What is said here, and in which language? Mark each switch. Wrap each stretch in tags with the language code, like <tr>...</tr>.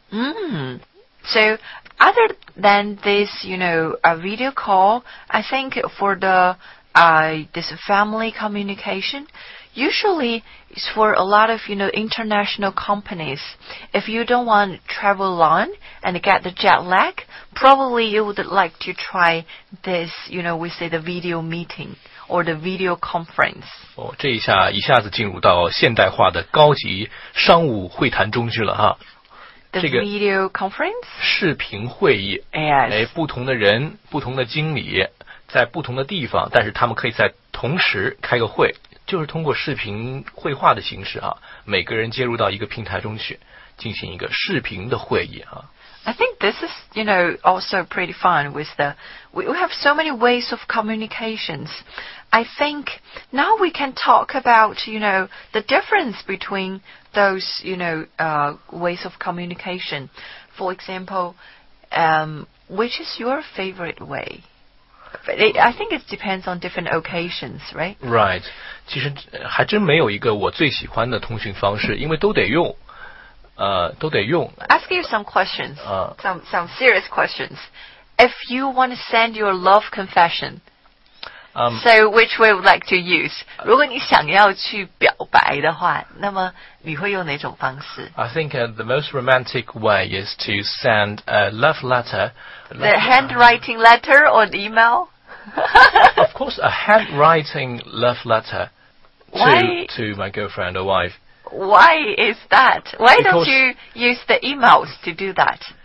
<en>So, other than this, you know, a video call, I think for the, this family communication, usually it's for a lot of, you know, international companies. If you don't want to travel long and get the jet lag, probably you would like to try this, you know, we say the video meeting or the video conference.</en> <zh>哦，这一下子进入到现代化的高级商务会谈中去了哈。</zh> <en>The video conference?</en> <zh>视频会议。</zh> <en>Yes.</en> <zh>不同的人，不同的经理，在不同的地方，但是他们可以在同时开个会，就是通过视频会话的形式啊，每个人接入到一个平台中去，进行一个视频的会议啊。</zh> <en>I think this is, you know, also pretty fun with the, we have so many ways of communications. I think now we can talk about, you know, the difference between those, you know, ways of communication. For example, which is your favorite way? I think it depends on different occasions, right? Right.</en> <zh>其实还真没有一个我最喜欢的通讯方式，因为都得用。都得用。</zh> <en>Ask you some questions. Some serious questions. If you want to send your love confession, so which way would like to use?</en> <zh>如果你想要去表白的话，那么你会用哪种方式？</zh> <en>I think the most romantic way is to send a love letter. The handwriting letter or the email? Of course, a handwriting love letter. to my girlfriend or wife. Why is that? Why don't you use the emails to do that?</en>